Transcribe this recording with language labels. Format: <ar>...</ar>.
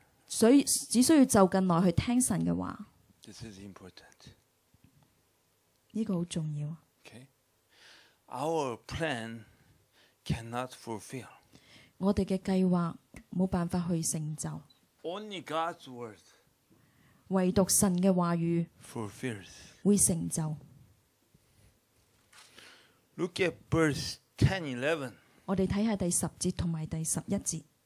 <yue>所以只需要就近来去听神嘅话。</yue> <en>This is important.</en> <yue>呢个好重要。</yue> <en>Okay. Our plan cannot fulfill.</en> <yue>我哋嘅计划冇办法去成就。</yue> <en>Only God's word.</en> <yue>唯独神嘅话语</yue> <en>fulfills.</en> <yue>会成就。</yue> <en>Look at verse 10, 11.</en> <yue>我哋睇下第十节同埋第十一节。</yue>